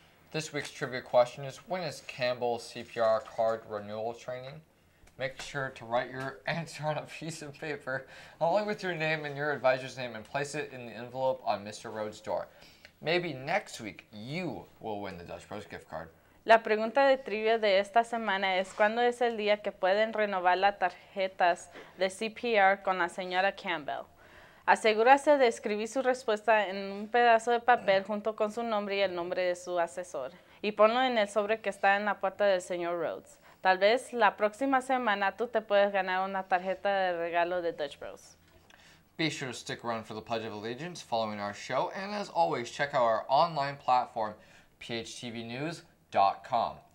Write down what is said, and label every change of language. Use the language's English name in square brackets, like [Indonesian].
[English] This week's trivia question is, when is Campbell's CPR card renewal training? Make sure to write your answer on a piece of paper, along with your name and your advisor's name, and place it in the envelope on Mr. Rhodes' door. Maybe next week, you will win the Dutch Bros gift card. [Spanish] La pregunta de trivia de esta semana es, ¿cuándo es el día que pueden renovar las tarjetas de CPR con la señora Campbell? Asegúrese de escribir su respuesta en un pedazo de papel junto con su nombre y el nombre de su asesor. Y ponlo en el sobre que está en la puerta del señor Rhodes. Tal vez la próxima semana tú te puedes ganar una tarjeta de regalo de Dutch Bros. [English] Be sure to stick around for the Pledge of Allegiance following our show. And as always, check out our online platform, phtvnews.com.